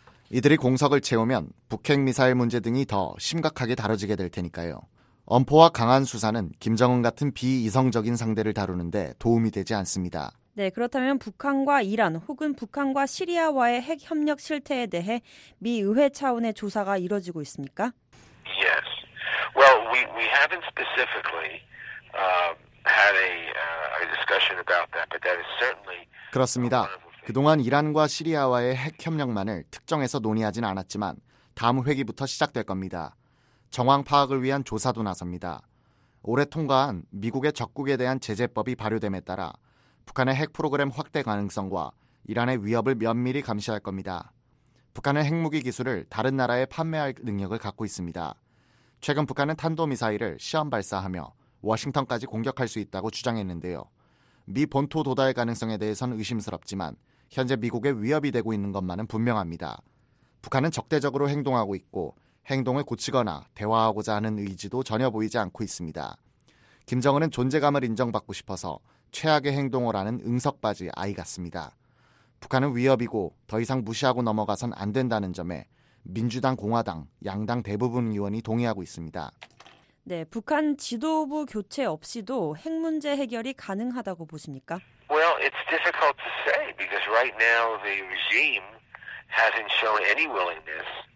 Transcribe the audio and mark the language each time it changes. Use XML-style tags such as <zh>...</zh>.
<ko>이들이 공석을 채우면 북핵미사일 문제 등이 더 심각하게 다뤄지게 될 테니까요. 엄포와 강한 수사는 김정은 같은 비이성적인 상대를 다루는데 도움이 되지 않습니다. 네, 그렇다면 북한과 이란 혹은 북한과 시리아와의 핵 협력 실태에 대해 미 의회 차원의 조사가 이루어지고 있습니까?</ko> <en>Yes. Well, we haven't specifically had a discussion about that, but that is certainly.</en> <ko>그렇습니다. 그동안 이란과 시리아와의 핵 협력만을 특정해서 논의하진 않았지만 다음 회기부터 시작될 겁니다. 정황 파악을 위한 조사도 나섭니다. 올해 통과한 미국의 적국에 대한 제재법이 발효됨에 따라 북한의 핵 프로그램 확대 가능성과 이란의 위협을 면밀히 감시할 겁니다. 북한은 핵무기 기술을 다른 나라에 판매할 능력을 갖고 있습니다. 최근 북한은 탄도미사일을 시험 발사하며 워싱턴까지 공격할 수 있다고 주장했는데요. 미 본토 도달 가능성에 대해서는 의심스럽지만 현재 미국의 위협이 되고 있는 것만은 분명합니다. 북한은 적대적으로 행동하고 있고 행동을 고치거나 대화하고자 하는 의지도 전혀 보이지 않고 있습니다. 김정은은 존재감을 인정받고 싶어서 최악의 행동을 하는 응석받이 아이 같습니다. 북한은 위협이고 더 이상 무시하고 넘어가선 안 된다는 점에 민주당, 공화당, 양당 대부분 의원이 동의하고 있습니다. 네, 북한 지도부 교체 없이도 핵 문제 해결이 가능하다고 보십니까?</ko> <en>Well, it's difficult to say because right now the regime hasn't shown any willingness.</en>